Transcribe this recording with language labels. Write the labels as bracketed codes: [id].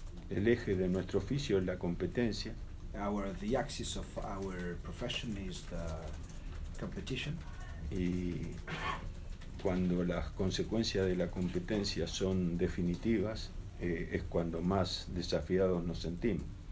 [es] El eje de nuestro oficio es la competencia. [en] The axis of our profession is the competition. [es] Y cuando las consecuencias de la competencia son definitivas, es cuando más desafiados nos sentimos.